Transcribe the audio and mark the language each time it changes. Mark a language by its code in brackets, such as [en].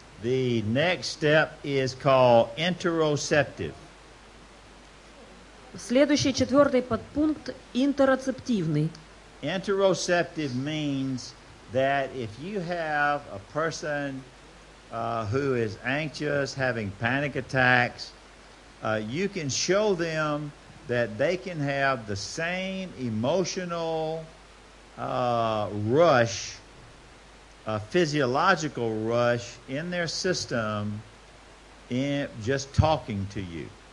[en] The next step is called interoceptive. [ru] Следующий, четвертый подпункт – интероцептивный. [en] Interoceptive means that if you have a person who is anxious, having panic attacks, you can show them that they can have the same emotional rush, a physiological rush in their system in just talking to you.